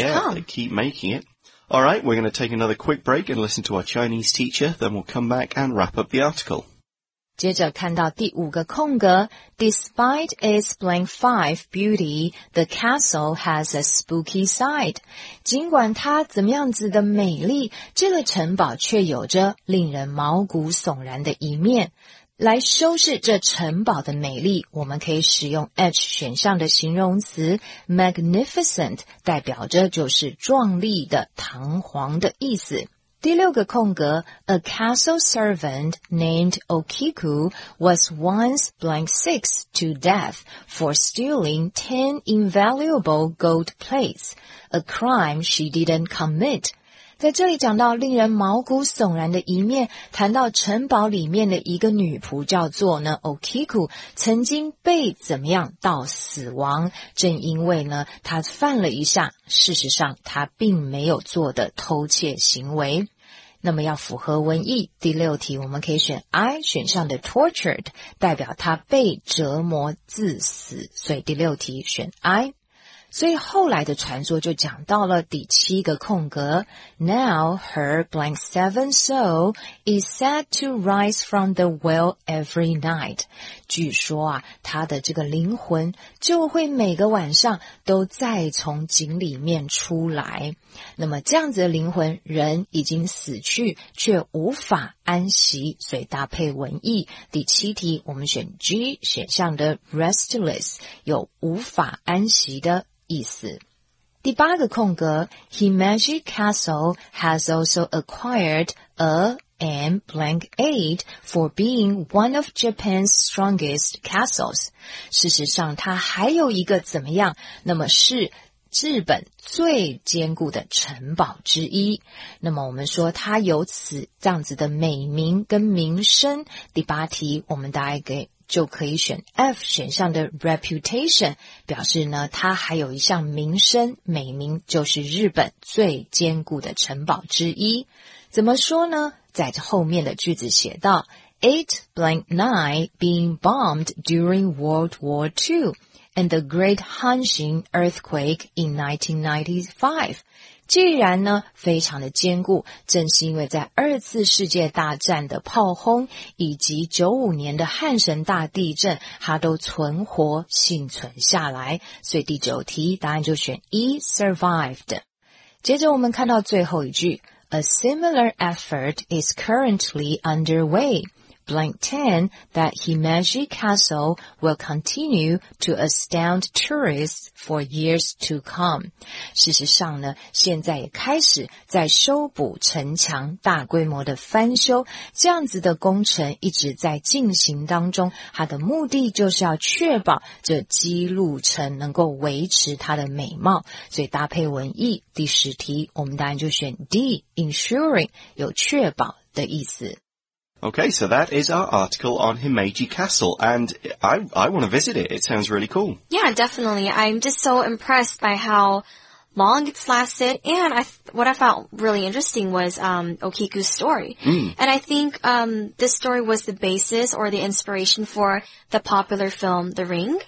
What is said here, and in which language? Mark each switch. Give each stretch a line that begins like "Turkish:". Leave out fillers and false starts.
English: come. Yeah, they keep making it. All right, we're going to take another quick break and listen to our Chinese teacher, then we'll come back and wrap up the article.
Chinese: 接着看到第五个空格
English: ,Despite its blank five beauty, the castle has a spooky side.
Chinese: 尽管它怎么样子的美丽,这个城堡却有着令人毛骨悚然的一面。来修饰这城堡的美丽，我们可以使用 H 选项的形容词 magnificent， 代表着就是壮丽的、堂皇的意思。第六个空格
English: ，A castle servant named Okiku was once blank six to death for stealing 10 invaluable gold plates， a crime she didn't commit。
Chinese: 在这里讲到令人毛骨悚然的一面，谈到城堡里面的一个女仆叫做呢 Okiku， 曾经被怎么样到死亡，正因为呢她犯了一下事实上她并没有做的偷窃行为。那么要符合文意，第六题我们可以选 I 选项的 tortured， 代表她被折磨致死，所以第六题选 I。所以后来的传说就讲到了第七个空格
English: Now her blank seven soul is said to rise from the well every night.
Chinese: 据说啊，她的这个灵魂就会每个晚上都再从井里面出来。那么这样子的灵魂，人已经死去，却无法安息，所以搭配文意。第七题，我们选 G 选项的 restless， 有无法安息的意思。第八个空格
English: Himeji Castle has also acquired a M blank 8 for being one of Japan's strongest castles.
Chinese: 事实上它还有一个怎么样，那么是日本最坚固的城堡之一。那么我们说它有此这样子的美名跟名声。第八题我们大概给就可以选 F 选项的 reputation， 表示呢它还有一项名声，美名就是日本最坚固的城堡之一。怎么说呢？在后面的句子写到
English: 8 blank 9 being bombed during World War II and the Great Hanshin earthquake in 1995。
Chinese: 既然呢非常的坚固，正是因为在二次世界大战的炮轰以及95年的阪神大地震，它都存活幸存下来，所以第九题答案就选 E survived。接着我们看到最后一句
English: A similar effort is currently underway blank 10 that Himeji Castle will continue to astound tourists for years to come.
Chinese: 事实上呢，现在也开始在修补城墙，大规模的翻修，这样子的工程一直在进行当中，它的目的就是要确保这基路城能够维持它的美貌，所以搭配文意，第十题，我们答案就选 D, ensuring, 有确保的意思。
English: Okay, so that is our article on Himeji Castle, and I want to visit it. It sounds really cool. Yeah, definitely. I'm just so impressed by how long it's lasted, and what I found really interesting was Okiku's story. Mm. And I think this story was the basis or the inspiration for the popular film The Ring.